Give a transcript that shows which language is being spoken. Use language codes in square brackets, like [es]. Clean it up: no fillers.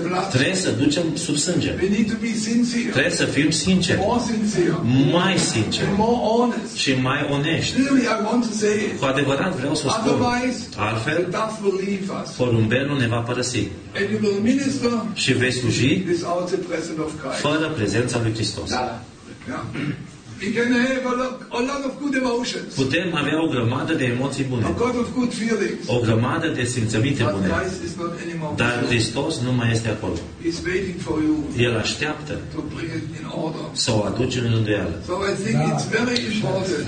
[ro] Trebuie să ducem sub sânge. Trebuie să fim sinceri. Mai sinceri. Și mai onești. Cu adevărat vreau să spun. Altfel, porumbelul ne va părăsi. Și vei sluji fără prezența lui Hristos. [en] We can have a lot of good emotions. [ro] Putem avea o grămadă de emoții bune. [en] A lot of good feelings. [ro] O grămadă de simțăminte bune. [en] But Christ is not anymore. [ro] Dar Hristos nu mai este acolo. [en] He's waiting for you. [ro] El așteaptă. [en] To bring it in order. [ro] Să o aduce în rânduială. [en] So I think it's very important.